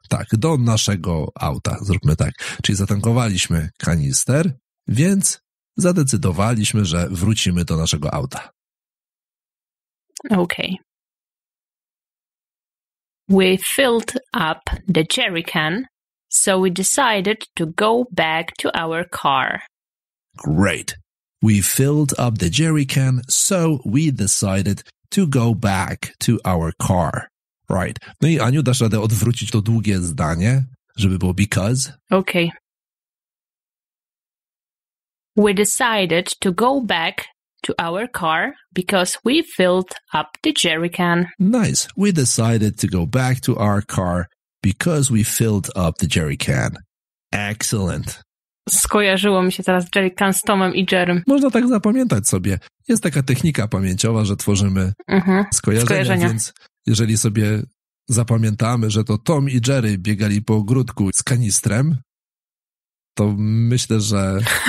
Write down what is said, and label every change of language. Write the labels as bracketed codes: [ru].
[pl] Tak, do naszego auta, zróbmy tak. Czyli zatankowaliśmy kanister, więc zadecydowaliśmy, że wrócimy do naszego auta. [en] Okay. We filled up the jerry can, so we decided to go back to our car. Great. We filled up the jerry can, so we decided to go back to our car. Right. [pl] No i Aniu, dasz radę odwrócić to długie zdanie, żeby było because? [en] Okay. We decided to go back to our car because we filled up the jerry can. Nice. We decided to go back to our car because we filled up the jerry can. Excellent. [pl] Skojarzyło mi się teraz jerry can z Tomem i Jerrym. Można tak zapamiętać sobie. Jest taka technika pamięciowa, że tworzymy skojarzenia, więc jeżeli sobie zapamiętamy, że to Tom i Jerry biegali po ogródku z kanistrem, to myślę, że...